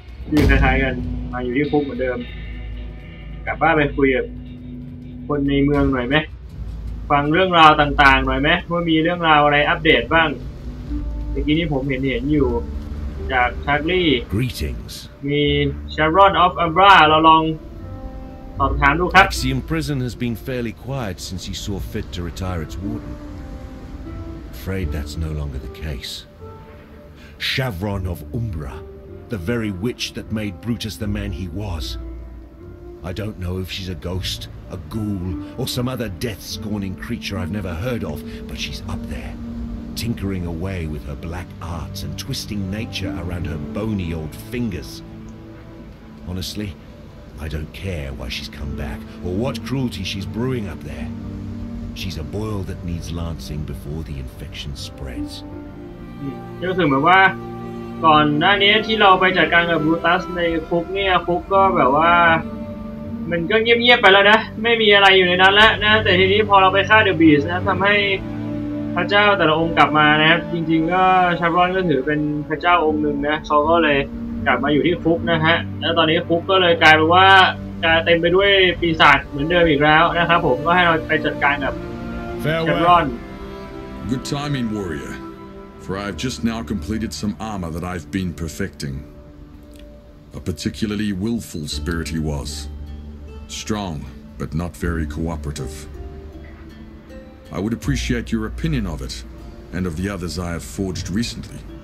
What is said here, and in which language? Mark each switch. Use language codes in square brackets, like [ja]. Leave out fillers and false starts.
[th] อยู่คล้ายๆกันมาอยู่ที่คุกเหมือนเดิมกลับบ้านไปคุยกับคนในเมืองหน่อยไหมฟังเรื่องราวต่างๆหน่อยไหมว่ามีเรื่องราวอะไรอัปเดตบ้างเมื่อกี้นี้ผมเห็นอยู่จากชาร์ลี่ [en] Greetings. [th] มีชารอนออฟอัมบราเราลองสอบถามดูครับ [en] Axiom Prison has been fairly quiet since you saw fit to retire its warden. Afraid that's no longer the case. Chavron of Umbra, the very witch that made Brutus the man he was. I don't know if she's a ghost, a ghoul, or some other death-scorning creature I've never heard of, but she's up there. Tinkering away with her black arts and twisting nature around her bony old fingers. Honestly, I don't care why she's come back or what cruelty she's brewing up there. She's a boil that needs lancing before the infection spreads. [th] ก็คือเหมือนว่าก่อนหน้านี้ที่เราไปจัดการกับบรูตัสในคุกเนี่ยคุกก็แบบว่ามันก็เงียบๆไปแล้วนะไม่มีอะไรอยู่ในนั้นแล้วนะแต่ทีนี้พอเราไปฆ่าเดอะบีสต์นะทำให้พระเจ้าแต่ละองค์กลับมานะครับจริงๆก็ชาร์ลอนก็ถือเป็นพระเจ้าองค์หนึ่งนะเขาก็เลยกลับมาอยู่ที่ฟุกนะฮะแล้วตอนนี้ฟุกก็เลยกลายเป็นว่าจะเต็มไปด้วยปีศาจเหมือนเดิมอีกแล้วนะครับผมก็ให้เราไปจัดการกับชาร์ลอน [en] Good timing warrior for I've just now completed some armor that I've been perfecting a particularly willful spirit he was strong but not very cooperativeI would appreciate your opinion of it, and of the others I have forged recently.